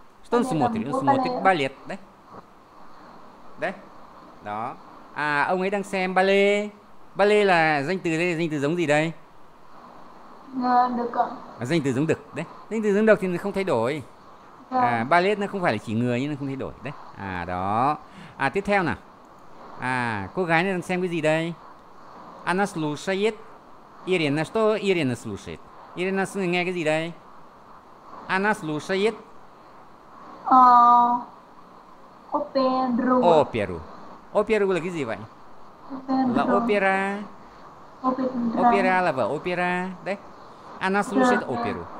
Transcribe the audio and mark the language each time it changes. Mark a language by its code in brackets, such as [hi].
[ru] Что он смотрит? Он смотрит балет, да? Да? [vi] Đó. À, ông ấy đang xem ballet. Ballet là danh từ đây, danh từ giống gì đây? Đực ạ. Danh từ giống đực, đấy. Danh từ giống đực thì không thay đổi. À, ballet nó không phải là chỉ người nhưng nó không thay đổi, đấy. À, đó. À, tiếp theo nào. À, cô gái này đang xem cái gì đây? [ru] Она слушает. Ирина, что Ирина слушает? [vi] Ирина nghe cái gì đây? [ru] Она слушает. Оперу. Оперу. Оперу [vi] là cái gì vậy? Opera. Là opera. Opera. Opera là vở opera. Đấy. [ru] Она слушает оперу.